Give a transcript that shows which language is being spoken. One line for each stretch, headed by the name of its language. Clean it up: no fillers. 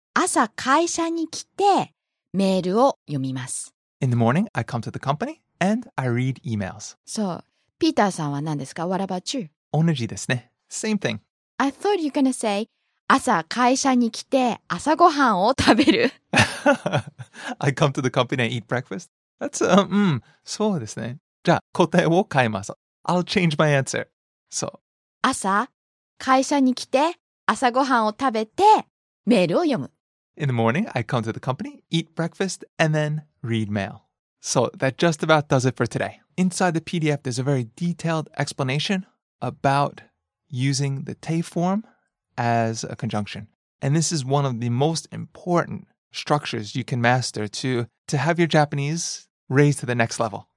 Japanese: 朝会社に来てメールを読みます。
English: In the morning, I come to the company and I read emails.
Japanese: So, ピーターさんは何ですか?
English: What about you?
Japanese: 同じですね。
English: Same thing. I thought you were going to say...
Japanese: 朝会社に来て朝ごはんを食べる。
English: I come to the company and eat breakfast.
Japanese: That's, そうですね。じゃあ答えを変えます。
English: I'll change my answer. So,
Japanese: 朝会社に来て朝ごはんを食べてメールを読む。
English: In the morning, I come to the company, eat breakfast, and then read mail. So, that just about does it for today. Inside the PDF, there's a very detailed explanation about using the te form. As a conjunction. And this is one of the most important structures you can master to have your Japanese raised to the next level.